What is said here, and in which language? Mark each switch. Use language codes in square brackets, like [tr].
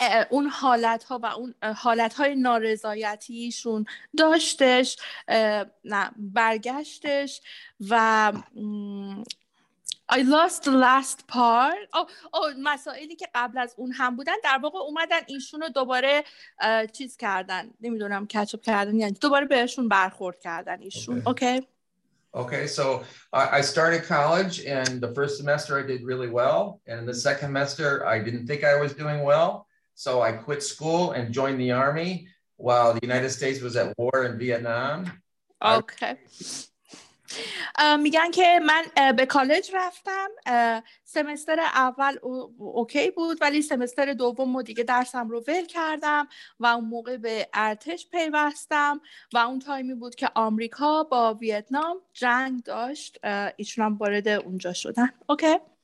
[fa] اون حالت ها و اون حالت های نارضایتیشون داشتش نه برگشتش و [en] I lost the last part [fa] مسائلی که قبل از اون هم بودن در واقع اومدن ایشون رو دوباره چیز کردن نمیدونم کچ اپ کردن یعنی دوباره بهشون برخورد کردن ایشون [en] Okay, so I started college and the first semester I did really well and in the second semester I didn't think I was doing well so I quit school and joined the army while the United States was at war in Vietnam. Okay. [fa] میگن که من به کالج رفتم سمستر اول اوکی بود ولی سمستر دوم و دیگه درسم رو ول کردم و اون موقع به ارتش پیوستم و اون تایمی بود که آمریکا با ویتنام جنگ داشت ایشون هم وارد اونجا شدن اوکی